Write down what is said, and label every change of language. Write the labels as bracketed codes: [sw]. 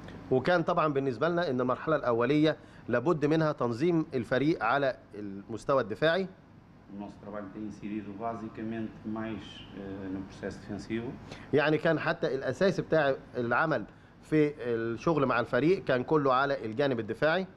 [ar] وكان طبعا بالنسبه لنا ان المرحله الاوليه لابد منها تنظيم الفريق على المستوى الدفاعي. [pt] O nosso trabalho tem incidido basicamente mais no processo defensivo. [ar] يعني كان حتى الأساس بتاع العمل في الشغل مع الفريق كان كله على الجانب الدفاعي.